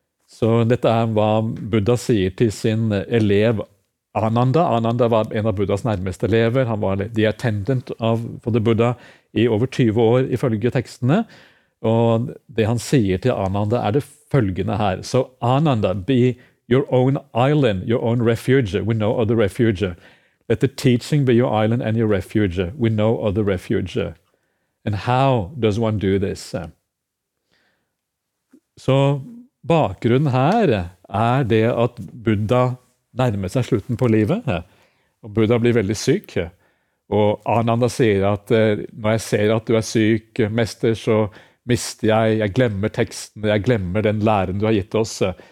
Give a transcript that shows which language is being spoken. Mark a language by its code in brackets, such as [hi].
[sv] Så detta är vad Buddha säger till sin elev Ananda. Ananda var en av Buddhas närmaste elever. Han var [en] the attendant [sv] av [en] for the Buddha [sv] i över 20 år i följande texterna. Och det han säger till Ananda är det följande här. [en] So Ananda, be your own island, your own refuge, with no other refuge. Let the teaching be your island and your refuge, with no other refuge. And how does one do this? [sv] Så bakgrunden här är det att Buddha närmar sig slutet på livet. Och Buddha blir väldigt sjuk. Och Ananda säger att när jag ser att du är sjuk, mäster, så mister jag glömmer texten, jag glömmer den läran du har gett oss.